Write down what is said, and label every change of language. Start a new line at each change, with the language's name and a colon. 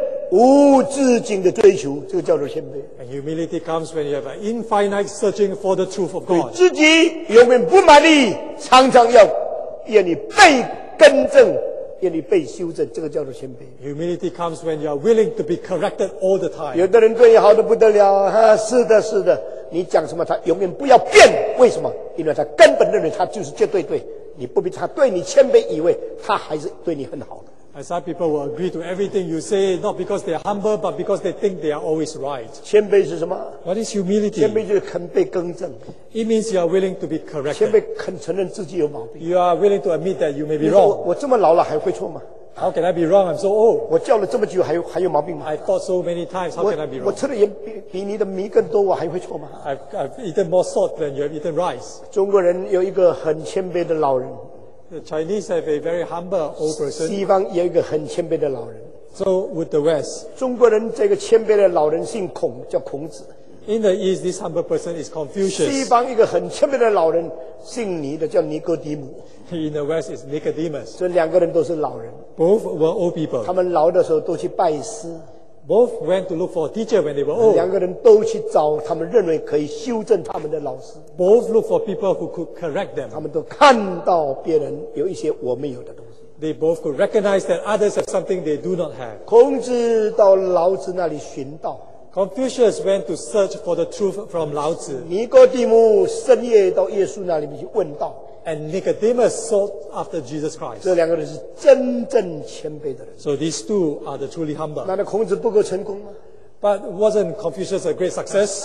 Chinese: 对真理无限无止境的追求, 这个叫做谦卑。
English: And humility comes when you have an infinite searching for the truth of God.
Chinese: 对自己永远不满意, 常常要愿意被更正, 愿意被修正, 这个叫做谦卑。
English: Humility comes when you are willing to be corrected all the time.
Chinese: 有的人对你好得不得了, 啊, 是的是的, 你讲什么, 他永远不要变, 为什么? 因为他根本认为他就是绝对对, 你不必他对你谦卑以为, 他还是对你很好的。
English: And some people will agree to everything you say, not because they are humble, but because they think they are always right.
Chinese: 谦卑是什么?
English: What is humility?
Chinese: 谦卑就是肯被更正。
English: It means you are willing to be corrected.
Chinese: 谦卑肯承认自己有毛病。
English: You are willing to admit that you may be wrong.
Chinese: 我这么老了还会错吗?
English: How can I be wrong? I'm so old.
Chinese: 我叫了这么久还有毛病吗?
English: I've thought so many times. How can I be wrong?
Chinese: 我吃的盐比你的米更多，我还会错吗?
English: I've eaten more salt than you have eaten rice.
Chinese: 中国人有一个很谦卑的老人。
English: The Chinese have a very humble old person.
Chinese: 西方有一个很谦卑的老人。
English: So would the West.
Chinese: 中国人这个谦卑的老人姓孔，叫孔子。
English: In the East, this humble person is Confucius.
Chinese: 西方一个很谦卑的老人姓尼的，叫尼哥底母。
English: In the West is Nicodemus.
Chinese: 这两个人都是老人。
English: Both were old people.
Chinese: 他们老的时候都去拜师。
English: Both went to look for a teacher when they were old.
Chinese: 两个人都去找他们认为可以修正他们的老师。
English: Both looked for people who could correct them.
Chinese: 他们都看到别人有一些我没有的东西。
English: They both could recognize that others have something they do not have.
Chinese: 孔子到老子那里寻道。
English: Confucius went to search for the truth from 老子。
Chinese: 尼哥底母深夜到耶稣那里去问道。
English: And Nicodemus sought after Jesus Christ.
Chinese: 这两个人是真正谦卑的人。
English: So these two are the truly humble.
Chinese: 难道孔子不够成功吗?
English: But wasn't Confucius a great success?